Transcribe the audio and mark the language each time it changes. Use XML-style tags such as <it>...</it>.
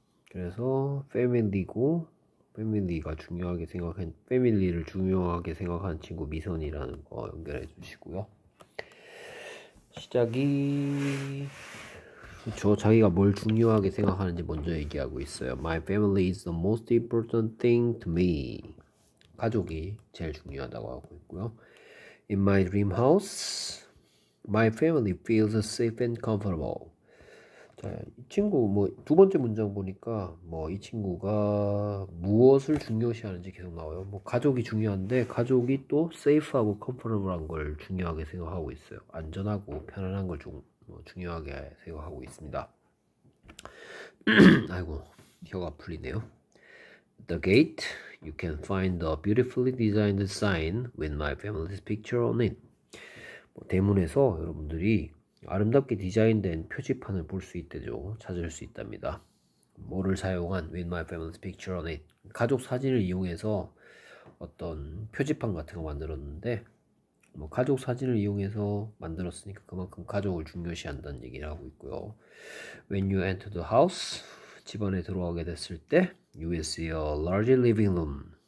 <ko>그래서 family고 family가 중요하게 생각한 family를 중요하게 생각하는 친구 미선이라는 거 연결해 주시고요. 시작이 저 자기가 뭘 중요하게 생각하는지 먼저 얘기하고 있어요.</ko> <en>My family is the most important thing to me.</en> <ko>가족이 제일 중요하다고 하고 있고요.</ko> <en>In my dream house, my family feels safe and comfortable.</en> <ko>자, 이 친구 뭐두 번째 문장 보니까 뭐이 친구가 무엇을 중요시하는지 계속 나와요. 뭐 가족이 중요한데 가족이 또 safe하고 comfortable한 걸 중요하게 생각하고 있어요. 안전하고 편안한 걸 좀. 중요하게 생각하고 있습니다. 아이고, 혀가 풀리네요.</ko> <en>The gate, you can find a beautifully designed sign with my family's picture on it.</en> <ko>뭐, 대문에서 여러분들이 아름답게 디자인된 표지판을 볼수 있대죠. 찾을 수 있답니다. 뭐를 사용한</ko> <en>with my family's picture on it.</en> <ko>가족 사진을 이용해서 어떤 표지판 같은 거 만들었는데 뭐 가족 사진을 이용해서 만들었으니까 그만큼 가족을 중요시한다는 얘기를 하고 있고요.</ko> <en>When you enter the house,</en> <ko>집 안에 들어가게 됐을 때,</ko> <en>you will see a large living room.</en>